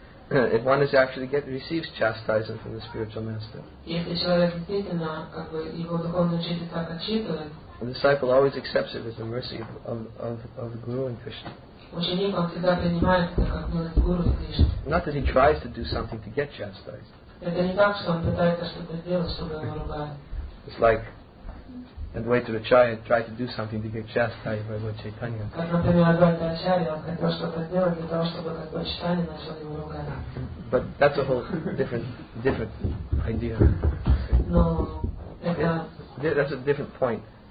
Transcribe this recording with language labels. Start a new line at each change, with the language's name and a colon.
English: If one is actually receives chastisement from the spiritual master, the disciple always accepts it as the mercy of the Guru and Krishna.
Russian: Ученик, он всегда принимает это как милость Гуру и Кришны.
English: Not that he tries to do something to get chastised.
Russian: Это не так, что он пытается что-то сделать, чтобы его ругали.
English: It's like in the way to Acharya, try to do something to get chastised by Lord Chaitanya.
Russian: Как, например, Адвайта Ачарья, он хотел что-то сделать для того, чтобы как Лорд Чайтанья начал его ругать.
English: But that's a whole different idea.
Russian: Но это...
English: That's a different point.